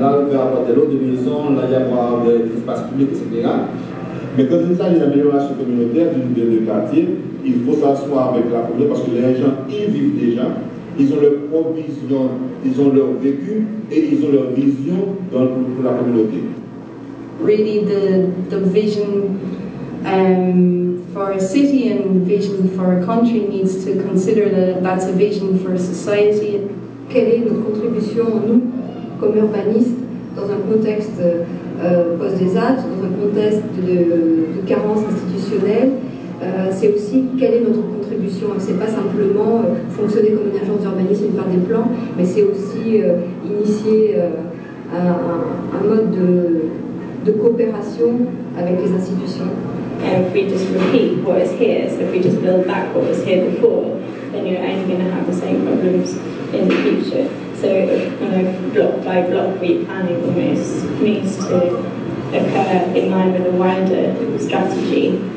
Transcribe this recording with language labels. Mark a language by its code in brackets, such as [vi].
[fr] Là, il peut y avoir de l'eau de maison, là, il y a des espaces publics, etc. Mais quand il s'agit d'une amélioration communautaire de quartier, il faut s'asseoir avec la communauté parce que les gens y vivent déjà, ils ont leur provision, ils ont leur vécu et ils ont leur vision pour la communauté. [en] Really, the vision for a city and vision for a country needs to consider that that's a vision for a society. [fr] Quelle est notre contribution, nous, comme urbanistes, dans un contexte post-désastre, dans un contexte de carence institutionnelle? C'est aussi quelle est notre contribution. Ce n'est pas simplement fonctionner comme une agence d'urbanisme et faire des plans, mais c'est aussi initier un mode de coopération avec les institutions. [en] And if we just repeat what is here, so if we just build back what was here before, then you're only going to have the same problems in the future. So kind of block by block replanning almost needs to occur in line with a wider strategy.